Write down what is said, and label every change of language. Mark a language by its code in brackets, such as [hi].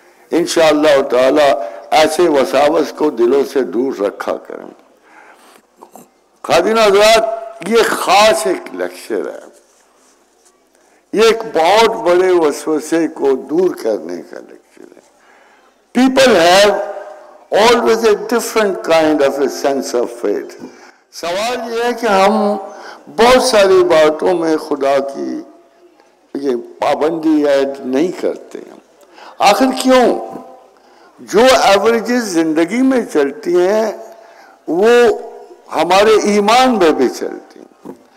[ur] انشاءاللہ تعالی ایسے وساوس کو دلوں سے دور رکھا کریں. خادم حضرات، یہ خاص ایک لیکچر ہے، یہ ایک بہت بڑے وسوسے کو دور کرنے کا lecture. [en] People have always a different kind of a sense of faith. [ur] سوال یہ ہے کہ ہم بہت ساری باتوں میں خدا کی یہ پابندی ایڈ نہیں کرتے ہیں. آخر کیوں؟ جو ایوریجز زندگی میں چلتی ہیں وہ ہمارے ایمان میں بھی چلتی ہیں.